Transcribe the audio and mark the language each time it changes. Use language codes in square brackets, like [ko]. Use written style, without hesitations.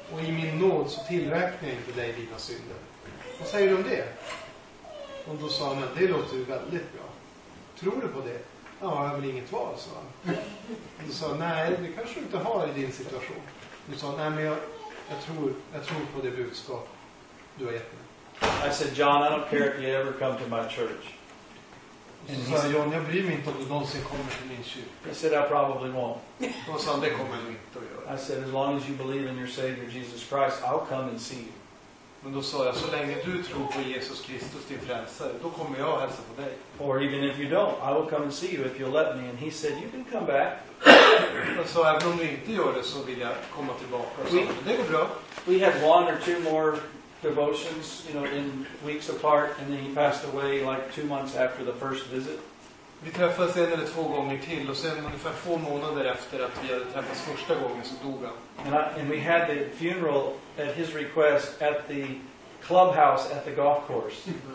[sv] Och i min nåd så tillräknar jag inte dig dina synder. Vad säger du om det? Och då sa han, det låter ju väldigt bra. Tror du på det? Ja, jag har väl inget val, sa han. Och då sa han, nej, det kanske du inte har i din situation. Och då sa han, nej, men jag tror på det budskap du har gett mig. [en] I said, John, I don't care if you ever come to my church. [sv] Och så sa han, John, jag bryr mig inte om du någonsin kommer till min kyrka. [en] I said, I probably won't. [sv] Och så sa han, det kommer du inte att göra. [en] I said, as long as you believe in your Savior Jesus Christ, I'll come and see you. [sv] Men då sa jag, så länge du tror på Jesus Kristus din frälsare, då kommer jag hälsa på dig. [en] Or even if you don't, I will come and see you if you'll let me. And he said, you can come back. [sv] Och så även om du inte gör det så vill jag komma tillbaka. Så, det går bra. [en] We had one or two more devotions, you know, in weeks apart, and then he passed away like 2 months after the first visit. [sv] Vi träffades en eller två gånger till och sen ungefär 2 månader efter att vi hade träffats första gången så dog han. [en] And we had the funeral at his request at the clubhouse at the golf course.